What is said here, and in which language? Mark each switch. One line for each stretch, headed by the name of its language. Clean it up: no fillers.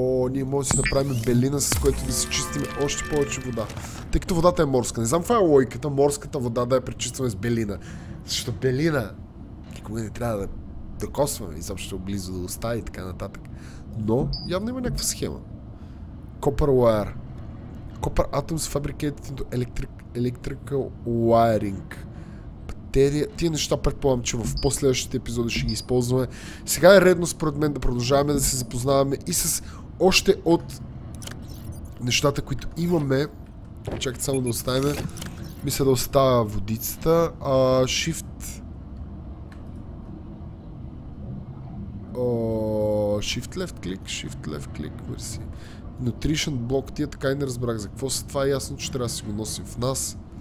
Bulgarian: Ние може да си направим белина, с което да си чистим още повече вода. Тъй като водата е морска. Не знам каква е логиката, морската вода да я пречистваме с белина. Защото белина никога не трябва да докосваме изобщо близо до уста и така нататък. Но явно има някаква схема.
English: Copper wire. Copper atoms fabricated into electrical wiring.
Bulgarian: материя. Тия неща предполагам, че в последващите епизоди ще ги използваме. Сега е редно според мен да продължаваме да се запознаваме и с още от нещата, които имаме. Чакайте само да оставим. Мисля да оставя водицата.
English: Shift. Shift left click, shift left click, върси.
Bulgarian: Nutrition блок, тия така и не разбрах за какво са. Това е ясно, че трябва да си го носим в нас.